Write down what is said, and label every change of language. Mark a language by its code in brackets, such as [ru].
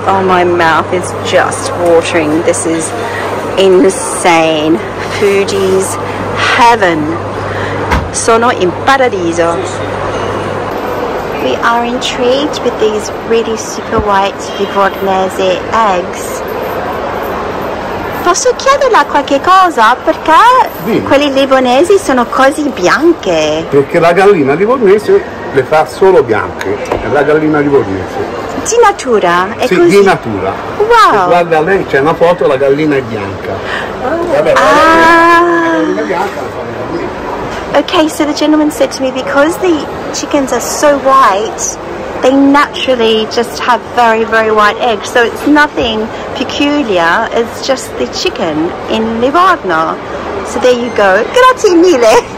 [en] Oh, my mouth is just watering. This is insane. Foodies, heaven. [it] Sono in paradiso. [en] We are intrigued with these really super white Livornese eggs. [it] Posso chiederla qualche cosa? Perché quelli Livornesi sono così bianche? Perché la gallina Livornese le fa solo bianche. La gallina Livornese. Di natura? È sì, così? Di natura. Wow! Se guarda lei, c'è una foto, la gallina è bianca. Vabbè, ah! [en] Okay, so the gentleman said to me, because the chickens are so white, they naturally just have very, very white eggs. So it's nothing peculiar, it's just the chicken in Livorno. So there you go. [it] Grazie mille.